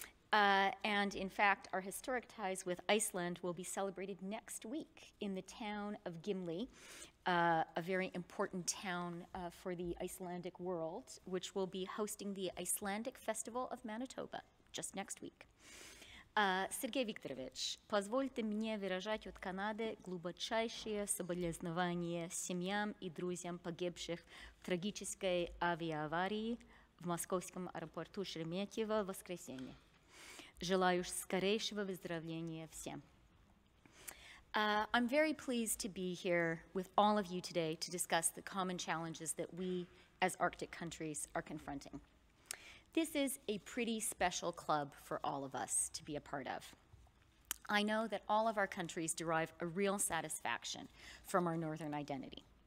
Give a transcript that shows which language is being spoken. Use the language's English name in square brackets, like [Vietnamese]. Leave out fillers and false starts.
[English] And in fact, our historic ties with Iceland will be celebrated next week in the town of Gimli, a very important town for the Icelandic world, which will be hosting the Icelandic Festival of Manitoba just next week. [Russian] Сергей Викторович, позвольте мне выражать от Канады глубочайшие соболезнования семьям и друзьям погибших в трагической авиаварии в московском аэропорту Шереметьево в воскресенье. Желаю скорейшего выздоровления всем. [English] I'm very pleased to be here with all of you today to discuss the common challenges that we as Arctic countries are confronting. This is a pretty special club for all of us to be a part of. I know that all of our countries derive a real satisfaction from our northern identity.